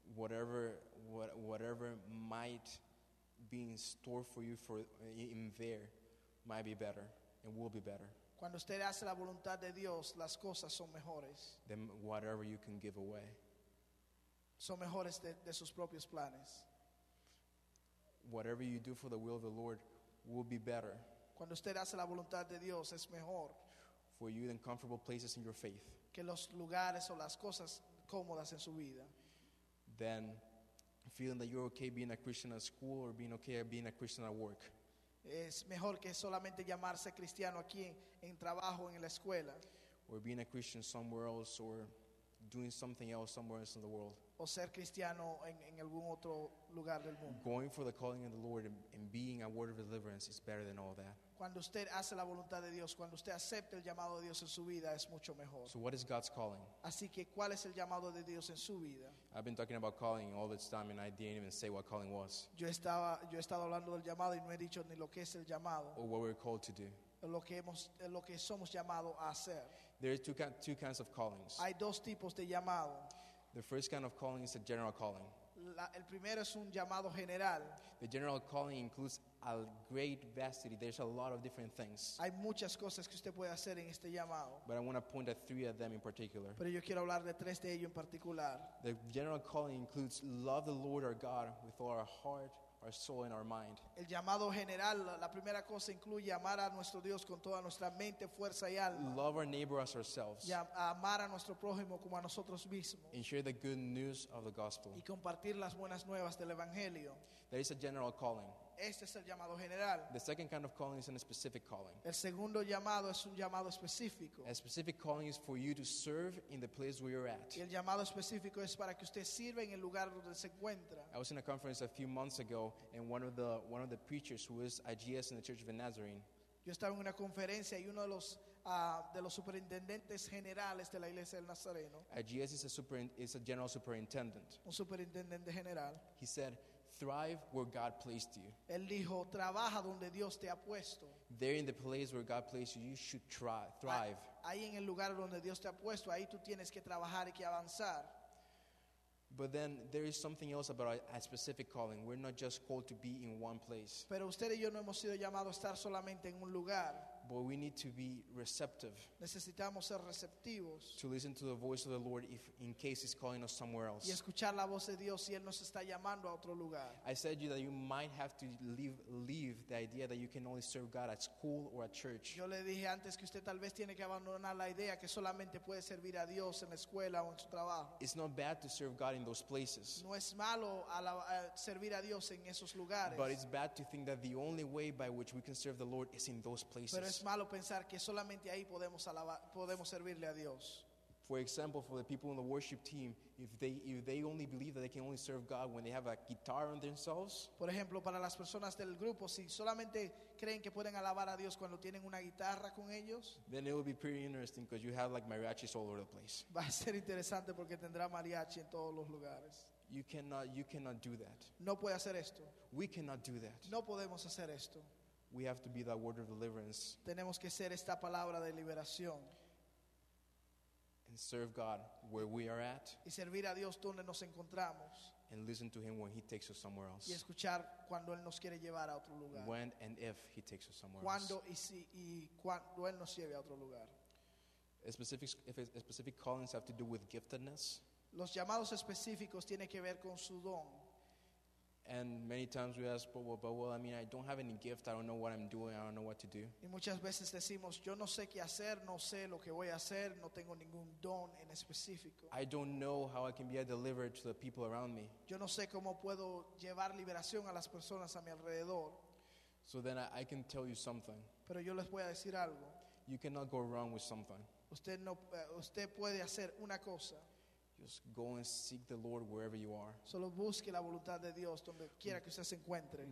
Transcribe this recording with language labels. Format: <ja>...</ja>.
<en>whatever might be in store for you there might be better and will be better.</en> <es>Cuando usted hace la voluntad de Dios, las cosas son mejores.</es> <en>Then whatever you can give away,</en> <es>son mejores de sus propios planes.</es> <en>Whatever you do for the will of the Lord will be better.</en> <es>Cuando usted hace la voluntad de Dios, es mejor.</es> <en>For you in comfortable places in your faith.</en> <es>Que los lugares o las cosas cómodas en su vida.</es> <en>Then feeling that you're okay being a Christian at school or being okay being a Christian at work.</en> <es>Es mejor que solamente llamarse cristiano aquí en trabajo en la escuela.</es> <en>Or being a Christian somewhere else or doing something else somewhere else in the world.</en> <es>O ser cristiano en algún otro lugar del mundo.</es> <en>Going for the calling of the Lord and being a word of deliverance is better than all that.</en> <es>Cuando usted hace la voluntad de Dios, cuando usted acepta el llamado de Dios en su vida, es mucho mejor.</es> <en>So what is God's calling?</en> <es>Así que, ¿cuál es el llamado de Dios en su vida?</es> <en>I've been talking about calling all this time and I didn't even say what calling was.</en> <es>Yo he estado hablando del llamado y no he dicho ni lo que es el llamado.</es> <en>Or what we're called to do.</en> <es>Lo que somos llamados a hacer.</es> <en>There are two kinds of callings.</en> <es>Hay dos tipos de llamado.</es> <en>The first kind of calling is a general calling.</en> <es>El primero es un llamado general.</es> <en>The general calling includes a great vastity. There's a lot of different things.</en> <es>Hay muchas cosas que usted puede hacer en este llamado.</es> <en>But I want to point at three of them in particular.</en> <es>Pero yo quiero hablar de tres de ellos en particular.</es> <en>The general calling includes love the Lord our God with all our heart, our soul and our mind.</en> <es>El llamado general, la primera cosa incluye amar a nuestro Dios con toda nuestra mente, fuerza y alma.</es> <en>Love our neighbor as ourselves.</en> <es>Y amar a nuestro prójimo como a nosotros mismos.</es> <en>And share the good news of the gospel.</en> <es>Y compartir las buenas nuevas del evangelio.</es> <en>There is a general calling.</en> <es>Este es el llamado general.</es> <en>The second kind of calling is a specific calling.</en> <es>El segundo llamado es un llamado específico.</es> <en>A specific calling is for you to serve in the place where you're at.</en> <es>Y el llamado específico es para que usted sirva en el lugar donde se encuentra.</es> <en>I was in a conference a few months ago, and one of the preachers who was IGS in the Church of the Nazarene.</en> <es>Yo estaba en una conferencia y uno de los superintendentes generales de la Iglesia del Nazareno.</es> <en>IGS is a general superintendent.</en> <es>Un superintendente general.</es> <en>He said, thrive where God placed you.</en> <es>Él dijo, trabaja donde Dios te ha puesto.</es> <en>There in the place where God placed you, you should thrive.</en> <es>Ahí en el lugar donde Dios te ha puesto, ahí tú tienes que trabajar y que avanzar.</es> <en>But then there is something else about a specific calling. We're not just called to be in one place.</en> <es>Pero usted y yo no hemos sido llamados a estar solamente en un lugar.</es> <en>But we need to be receptive.</en> <es>Necesitamos ser receptivos.</es> <en>To listen to the voice of the Lord in case he's calling us somewhere else.</en> <es>Y escuchar la voz de Dios si él nos está llamando a otro lugar.</es> <en>I said to you that you might have to leave the idea that you can only serve God at school or at church.</en> <es>Yo le dije antes que usted tal vez tiene que abandonar la idea que solamente puede servir a Dios en la escuela o en su trabajo.</es> <en>It's not bad to serve God in those places.</en> <es>No es malo servir a Dios en esos lugares.</es> <en>But it's bad to think that the only way by which we can serve the Lord is in those places.</en> <es>Pero es malo pensar que solamente ahí podemos servirle a Dios.</es> <en>For example, for the people in the worship team, if they only believe that they can only serve God when they have a guitar on themselves.</en> <es>Por ejemplo, para las personas del grupo, si solamente creen que pueden alabar a Dios cuando tienen una guitarra con ellos.</es> <en>Then it will be pretty interesting because you have like mariachis all over the place.</en> <es>Va a ser interesante porque tendrá mariachi en todos los lugares.</es> <en>You cannot do that.</en> <es>No puede hacer esto.</es> <en>We cannot do that.</en> <es>No podemos hacer esto.</es> <en>We have to be that word of deliverance.</en> <es>Tenemos que ser esta palabra de liberación.</es> <en>And serve God where we are at.</en> <es>Y servir a Dios donde nos encontramos.</es> <en>And listen to him when he takes us somewhere else.</en> <es>Y escuchar cuando él nos quiere llevar a otro lugar.</es> <en>When and if he takes us somewhere</en> <es>cuando</es> <en>else.</en> <es>Cuando y si y cuando él nos lleve a otro lugar.</es> <en>Specific callings have to do with giftedness.</en> <es>Los llamados específicos tienen que ver con su don.</es> <en>And many times we ask, but I don't have any gift. I don't know what I'm doing. I don't know what to do.</en> <es>Y muchas veces decimos, yo no sé qué hacer. No sé lo que voy a hacer. No tengo ningún don en específico.</es> <en>I don't know how I can be a deliverer to the people around me.</en> <es>Yo no sé cómo puedo llevar liberación a las personas a mi alrededor.</es> <en>So then I can tell you something.</en> <es>Pero yo les voy a decir algo.</es> <en>You cannot go wrong with something.</en> <es>Usted puede hacer una cosa.</es> <en>Just go and seek the Lord wherever you are.</en> <es>Solo busque la voluntad de Dios donde quiera que usted se encuentre.</es>